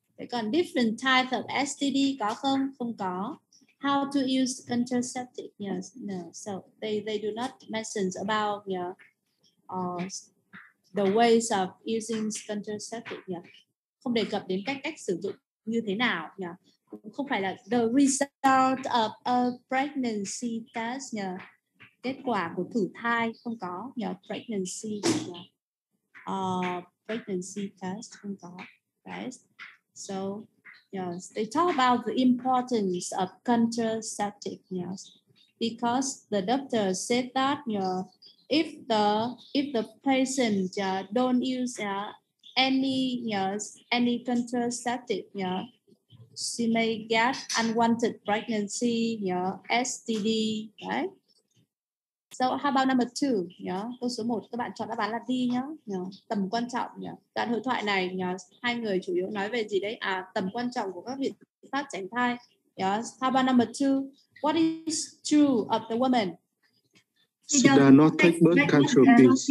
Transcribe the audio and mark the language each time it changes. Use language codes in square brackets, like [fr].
[vi] Còn [en] different types of STD [vi] có không? Không có. [en] How to use contraceptive? Yes, no. So they do not mention about the ways of using contraceptive. Yeah. [vi] Không đề cập đến cách sử dụng như thế nào. Yeah. Không phải là [en] the result of a pregnancy test. [vi] Yeah. Kết quả của thử thai không có. Yeah. Pregnancy. Yeah. Pregnancy test không có. [en] Right. So, yes, they talk about the importance of contraceptive, yes, because the doctor said that, if the patient don't use any contraceptive, she may get unwanted pregnancy, STD, right? So, how about number 2? [vi] Câu số 1, các bạn chọn đáp án là D nhé. Tầm quan trọng nhé. Đoạn hội thoại này, hai người chủ yếu nói về gì đấy? À, tầm quan trọng của các biện pháp tránh thai [en] Yes. How about number two? What is true of the woman? She does not take birth control pills.